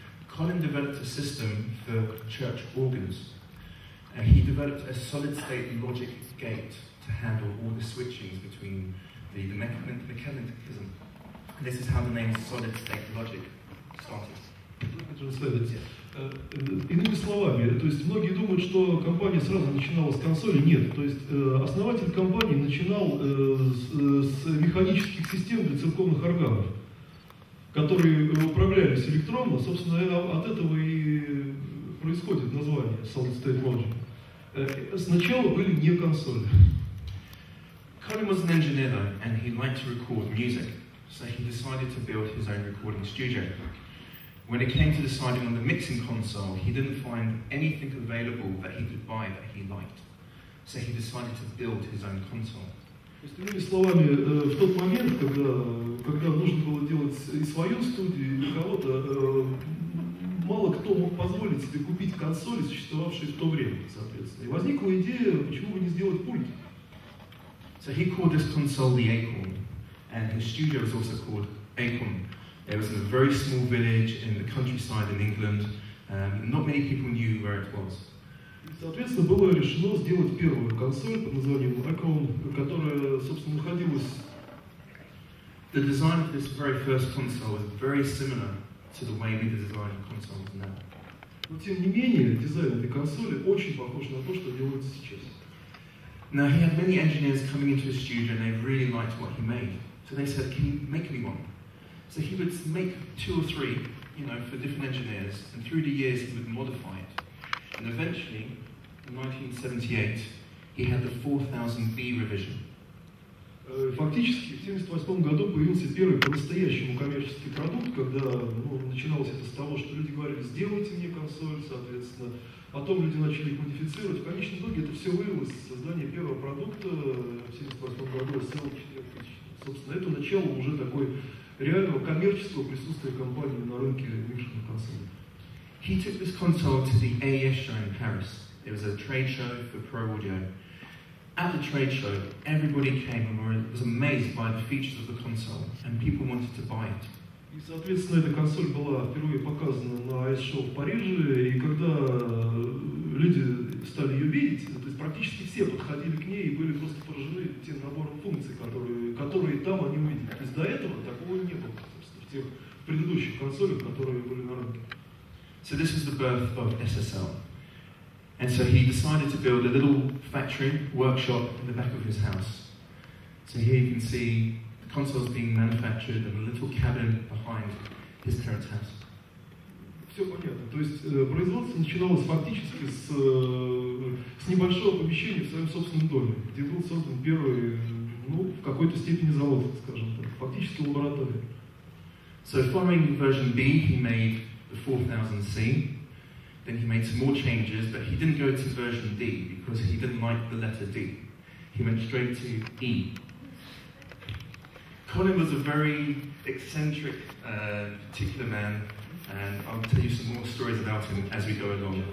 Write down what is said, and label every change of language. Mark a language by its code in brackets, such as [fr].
[en] Colin developed a system for church organs, and he developed a solid-state logic gate to handle all the switchings between the mechanism. This is how the name solid-state logic started. [ru] Иными словами, то есть многие думают, что компания сразу начинала с консоли. Нет, то есть основатель компании начинал с механических систем для церковных органов, которые управлялись электронно. Собственно, от этого и происходит название Solid State Logic. Сначала были не консоли. [en] Colin was an engineer though, and he liked to record music, so he decided to build his own recording studio. When it came to deciding on the mixing console, he didn't find anything available that he could buy that he liked. So he decided to build his own console. [ru] То есть, иными словами, в тот момент, когда нужно было делать и свою студию, и для кого-то, мало кто мог позволить себе купить консоли, существовавшие в то время, соответственно. И возникла идея, почему бы не сделать пульт. [en] So he called this console the Acorn, and his studio was also called Acorn. It was in a very small village in the countryside in England. Not many people knew where it was. [ru] Соответственно, было решено сделать первую консоль под названием Acorn, которая, собственно, находилась... [en] The design of this very first console is very similar to the way we design consoles now. [ru] Но, тем не менее, дизайн этой консоли очень похож на то, что делается сейчас. [en] Now, he had many engineers coming into his studio, and they really liked what he made. So they said, can you make me one? So he would make two or three, you know, for different engineers, and through the years he would modify it. And eventually, in 1978, he had the 4000B revision. [ru] Фактически, в 78 году появился первый по-настоящему коммерческий продукт, когда, ну, начиналось это с того, что люди говорили, сделайте мне консоль, соответственно. Потом люди начали их модифицировать. В конечном итоге это все вылилось в создание первого продукта в 78 году, SSL 4000. Собственно, это начало уже такой реального коммерческого присутствия компании на рынке мишных консолей. [en] He took this console to the AES show in Paris. It was a trade show for pro audio. At the trade show, everybody came and was amazed by the features of the console, and people wanted to buy it. [ru] И, соответственно, эта консоль была впервые показана на AES-шоу в Париже, и когда люди стали ее видеть, то есть практически все подходили к ней и были просто поражены тем набором функций, которые там они увидели. То есть до этого такого не было, собственно, в тех предыдущих консолях, которые были на рынке. [en] So this is the birth of SSL. And so he decided to build a little factory, workshop, in the back of his house. So here you can see the consoles being manufactured in a little cabin behind his parents' house. [ru] Все понятно. То есть производство начиналось фактически с небольшого помещения в своем собственном доме, где был создан первый, ну, в какой-то степени завод, скажем так, фактически лаборатория. [en] So following version B, he made the 4000C. Then he made some more changes, but he didn't go to version D because he didn't like the letter D. He went straight to E. Colin was a very eccentric, particular man, and I'll tell you some more stories about him as we go along.